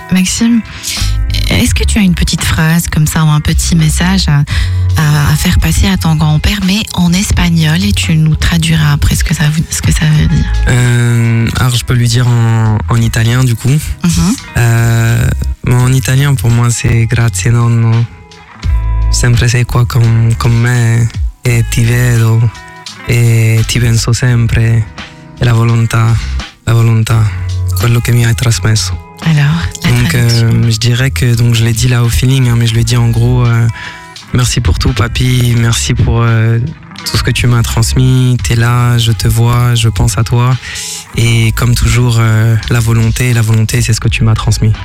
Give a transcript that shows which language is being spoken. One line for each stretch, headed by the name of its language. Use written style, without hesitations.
French: Maxime, est-ce que tu as une petite phrase comme ça ou un petit message à faire passer à ton grand-père, mais en espagnol, et tu nous traduiras après ce que ça veut dire? Alors, je peux lui dire en italien, du coup. Mm-hmm. Bon, en italien, pour moi, c'est
Italian: grazie, nonno. Sempre sei qua con me, et ti vedo, et ti penso sempre, et la volontà, quello che mi hai trasmesso.
French: Alors, je dirais que donc je l'ai dit là au feeling, hein, mais je lui ai dit en gros, merci pour tout, papy, merci pour tout ce que tu m'as transmis. T'es là, je te vois, je pense à toi, et comme toujours, la volonté, c'est ce que tu m'as transmis.